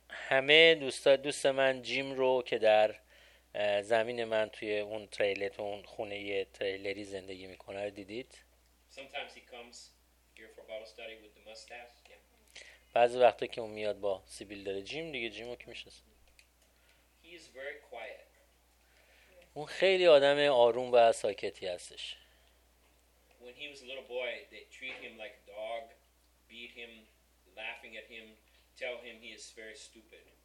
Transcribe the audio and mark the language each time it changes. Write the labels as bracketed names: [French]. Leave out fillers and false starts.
[Persian] همه دوست من جیم رو که در زمین من توی اون تریلر اون خونه تریلری زندگی میکنه رو دیدید؟ [English] Sometimes he comes here for Bible study with the mustache. [Persian] بعضی وقتا که اون میاد با سیبیل داره جیم دیگه جیمو که میشناسه. [English] He is very quiet. [Persian] اون خیلی آدم آروم و ساکتی هستش. [English] When he was a little boy, they treat him like a dog, beat him, laughing at him, tell him he is very stupid.